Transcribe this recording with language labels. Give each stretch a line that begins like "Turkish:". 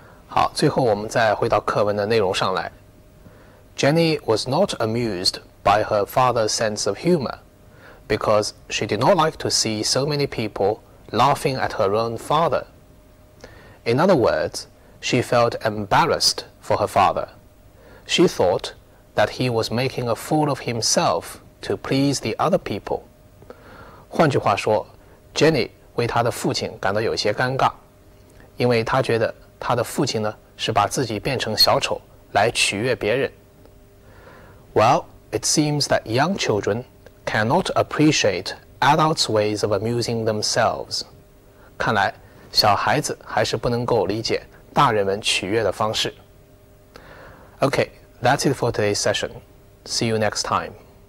Chinese: 好，最后我们再回到课文的内容上来。
English: Jenny was not amused by her father's sense of humor because she did not like to see so many people laughing at her own father. In other words, she felt embarrassed for her father. She thought that he was making a fool of himself to please the other people.
Chinese: 换句话说 ,Jenny 为她的父亲感到有些尴尬,因为她觉得她的父亲呢是把自己变成小丑来取悦别人。
English: Well, it seems that young children cannot appreciate adults' ways of amusing themselves.
Chinese: 看来小孩子还是不能够理解大人们取悦的方式。
English: Okay, that's it for today's session. See you next time.